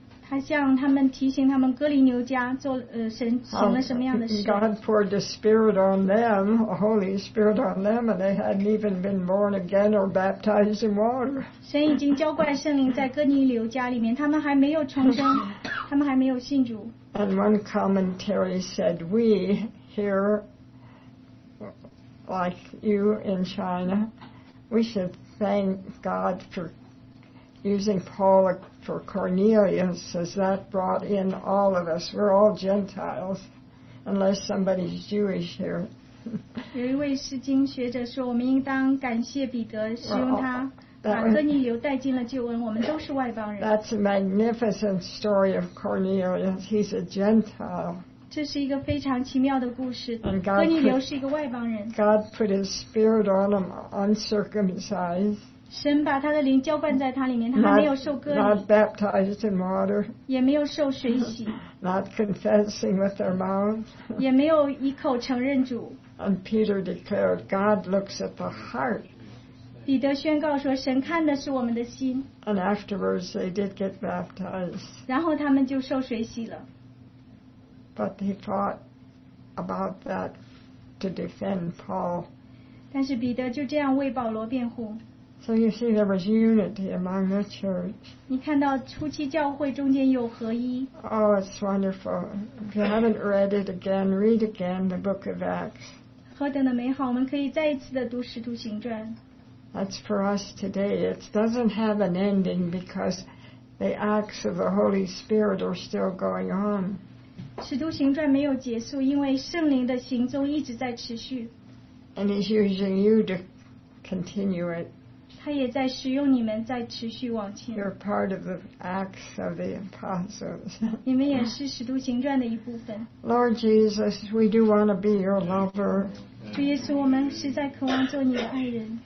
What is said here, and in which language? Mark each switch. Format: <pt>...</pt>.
<zh>他向他们提醒他们哥林流家做神行了什么样的事。</zh> <en>God poured the Spirit on them, a Holy Spirit on them, and they hadn't even been born again or baptized in water.</en> <zh>神已经浇灌圣灵在哥林流家里面，他们还没有重生，他们还没有信主。</zh> <en>And one commentary said, "We here, like you in China, we should thank God for using Paul for Cornelius, as that brought in all of us. We're all Gentiles, unless somebody's Jewish here."</en> <zh>有一位释经学者说，我们应当感谢彼得，使用他把哥尼流带进了救恩。我们都是外邦人。</zh> <en>That's a magnificent story of Cornelius. He's a Gentile.</en> <zh>这是一个非常奇妙的故事。哥尼流是一个外邦人。</zh> <en>God put His Spirit on him, uncircumcised.</en> <zh>神把他的灵浇灌在他里面，他还没有受割礼。</zh> <en>Not baptized in water.</en> <zh>也没有受水洗。</zh> <en>Not confessing with their mouth.</en> <zh>也没有一口承认主。</zh> <en>And Peter declared, "God looks at the heart."</en> <zh>彼得宣告说，神看的是我们的心。</zh> <en>And afterwards, they did get baptized.</en> <zh>然后他们就受水洗了。</zh> <en>But he thought about that to defend Paul.</en> <zh>但是彼得就这样为保罗辩护。</zh> <en>So you see, there was unity among the church.</en> <zh>你看到初期教会中间有合一。</zh> <en>Oh, it's wonderful. If you haven't read it again, read again the book of Acts.</en> <zh>何等的美好！我们可以再一次的读《使徒行传》。</zh> <en>That's for us today. It doesn't have an ending because the acts of the Holy Spirit are still going on.</en> <zh>使徒行传没有结束，因为圣灵的行踪一直在持续。</zh> <en>And He's using you to continue it.</en> <zh>他也在使用你们，在持续往前。</zh> <en>You're part of the Acts of the Apostles.</en> <zh>你们也是《使徒行传》的一部分。</zh> <en>Lord Jesus, we do want to be your lover.</en> <zh>主耶稣，我们实在渴望做你的爱人。</zh>